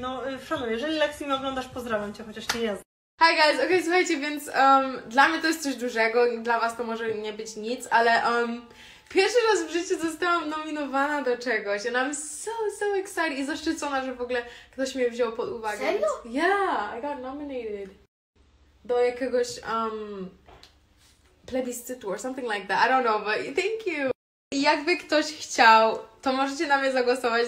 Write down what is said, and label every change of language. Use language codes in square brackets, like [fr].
[pl] No szanuję, jeżeli Lexi mnie oglądasz, pozdrawiam cię, chociaż nie jest. [en] Hi guys, [pl] okej, słuchajcie, więc dla mnie to jest coś dużego, dla was to może nie być nic, ale pierwszy raz w życiu zostałam nominowana do czegoś i [en] I'm so excited [pl] i zaszczycona, że w ogóle ktoś mnie wziął pod uwagę. Serio? [en] Yeah, I got nominated. [pl] Do jakiegoś plebiscytu [en] or something like that. I don't know, but thank you. [pl] I jakby ktoś chciał, to możecie na mnie zagłosować.